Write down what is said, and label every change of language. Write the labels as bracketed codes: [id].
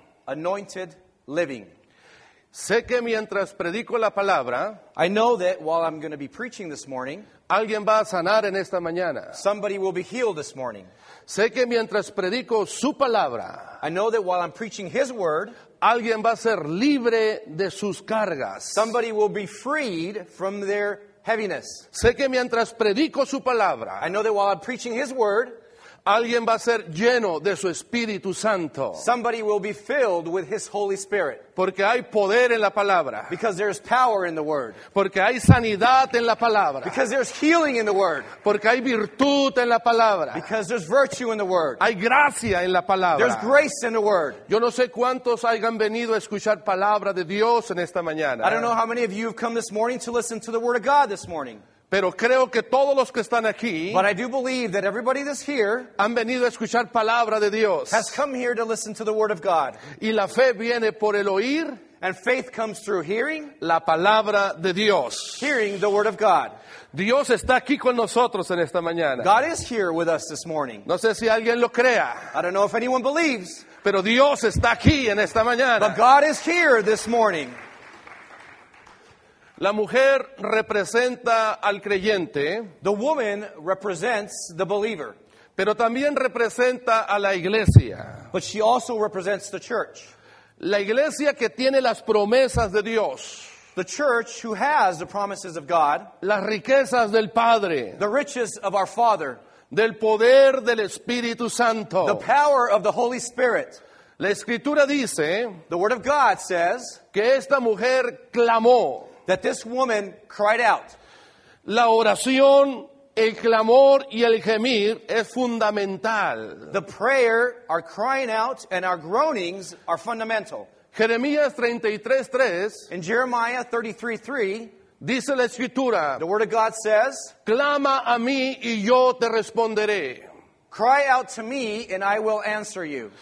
[en] Anointed Living. [es] Sé que mientras predico la palabra, [en] I know that while I'm going to be preaching this morning, [es] alguien va a sanar en esta mañana. [en] Somebody will be healed this morning. [es] Sé que mientras predico su palabra, [en] I know that while I'm preaching his word, [es] alguien va a ser libre de sus cargas. [en] Somebody will be freed from their heaviness. [es] Sé que mientras predico su palabra, [en] I know that while I'm preaching his word, [es] alguien va a ser lleno de su Espíritu Santo. [en] Somebody will be filled with his Holy Spirit. [es] Porque hay poder en la palabra. [en] Because there is power in the word. [es] Porque hay sanidad en la palabra. [en] Because there's healing in the word. [es] Porque hay virtud en la palabra. [en] Because there's virtue in the word. [es] Hay gracia en la palabra. [en] There's grace in the word. [es] Yo no sé cuántos hayan venido a escuchar palabra de Dios en esta mañana. [en] I don't know how many of you have come this morning to listen to the word of God this morning. [es] Pero creo que todos los que están aquí, [en] but I do believe that everybody that's here, [es] han venido a escuchar palabra de Dios, [en] has come here to listen to the word of God. [es] Y la fe viene por el oír, [en] and faith comes through hearing, [es] la palabra de Dios, [en] hearing the word of God. [es] Dios está aquí con nosotros en esta mañana. [en] God is here with us this morning. [es] No sé si alguien lo crea. [en] I don't know if anyone believes. [es] Pero Dios está aquí en esta mañana. [en] But God is here this morning. [es] La mujer representa al creyente. [en] The woman represents the believer. [es] Pero también representa a la iglesia. [en] But she also represents the church. [es] La iglesia que tiene las promesas de Dios. [en] The church who has the promises of God. [es] Las riquezas del Padre. [en] The riches of our Father. [es] del poder del Espíritu Santo. [en] The power of the Holy Spirit. [es] La Escritura dice, [en] the Word of God says, [es] que esta mujer clamó. [en] That this woman cried out. [es] La oración, el clamor y el gemir es fundamental. [en] The prayer, our crying out, and our groanings are fundamental. [es] Jeremías 33:3. [en] In Jeremiah 33:3, [es] dice la Escritura. [en] The Word of God says, [es] clama a mí y yo te responderé. [en] Cry out to me and I will answer you.